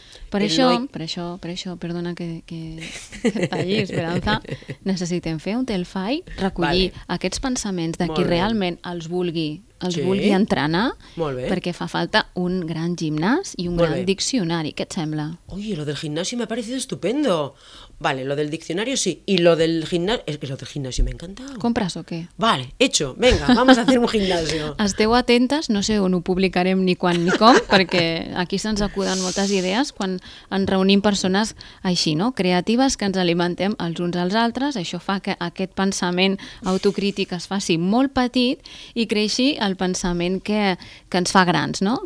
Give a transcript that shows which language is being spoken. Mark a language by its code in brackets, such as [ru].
[ca] Per això, perdona que talli, Esperanza, necessitem fer un Telfai, recollir, vale, aquests pensaments de qui realment els vulgui, els, sí, vulgui entrenar, perquè fa falta un gran gimnàs i un gran diccionari. Què et sembla? [es] Oye, lo del gimnasio me ha parecido estupendo. Vale, lo del diccionario sí, y lo del gimnasio, es que lo del gimnasio me ha encantado. ¿Compras o qué? Vale, hecho, venga, vamos a hacer un gimnasio. [ca] Esteu atentes, no sé on ho publicarem ni quan ni com, perquè aquí se'ns acuden moltes idees quan ens reunim persones així, no? Creatives, que ens alimentem els uns als altres. Això fa que aquest pensament autocrític es faci molt petit i creixi el pensament que ens fa grans, no?